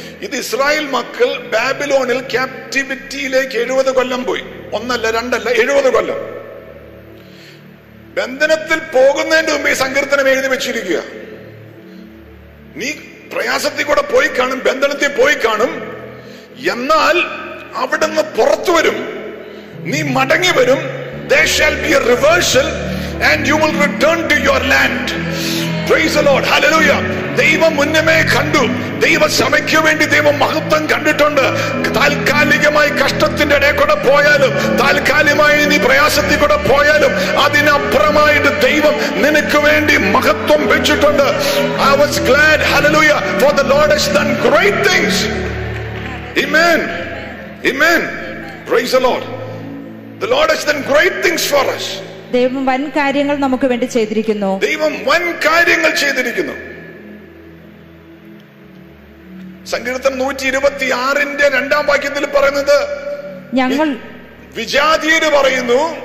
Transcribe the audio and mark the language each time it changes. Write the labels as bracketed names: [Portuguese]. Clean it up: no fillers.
[Malayalam] ഇത് ഇസ്രായേൽ മക്കൾ ബാബിലോണിൽ ക്യാപ്റ്റിവിറ്റിയിലേക്ക് 70 പോയി, ഒന്നല്ല രണ്ടല്ല 70 ബന്ധനത്തിൽ പോകുന്നതിന്റെ മുമ്പ് ഈ സങ്കീർത്തനം എഴുതി വെച്ചിരിക്കുക. നീ പ്രയാസത്തിൽ കൂടെ പോയി കാണും, ബന്ധനത്തിൽ പോയി കാണും, എന്നാൽ അവിടുന്ന് പുറത്തു വരും, നീ മടങ്ങി വരും. [English] There shall be a reversal and you will return to your land. Praise the Lord. Hallelujah. [Malayalam] ദൈവം മുന്നമേ കണ്ടു, ദൈവ സമയ്ക്ക് വേണ്ടി ദൈവം മഹത്വം കണ്ടിട്ടുണ്ട്. താൽക്കാലികമായി കഷ്ടത്തിന്റെ ഇടയിൽ കൂടെ പോയാലും, താൽക്കാലികമായി നീ പ്രയാസത്തിൽ കൂടെ പോയാലും, അതിനപ്പുറമായിട്ട് ദൈവം നിനക്ക് വേണ്ടി മഹത്വം വെച്ചിട്ടുണ്ട്. [English] I was glad. Hallelujah. For the Lord has done great things. Amen. Amen. Praise the Lord. The Lord has done great things for us. [Malayalam] ദൈവം വൻ കാര്യങ്ങൾ നമുക്ക് വേണ്ടി ചെയ്തിരിക്കുന്നു. ദൈവം വൻ കാര്യങ്ങൾ ചെയ്തിരിക്കുന്നു. സങ്കീർത്തനം 126 രണ്ടാം വാക്യത്തിൽ പറയുന്നത് ഞങ്ങൾ വിജാതിയോട് പറയുന്നു,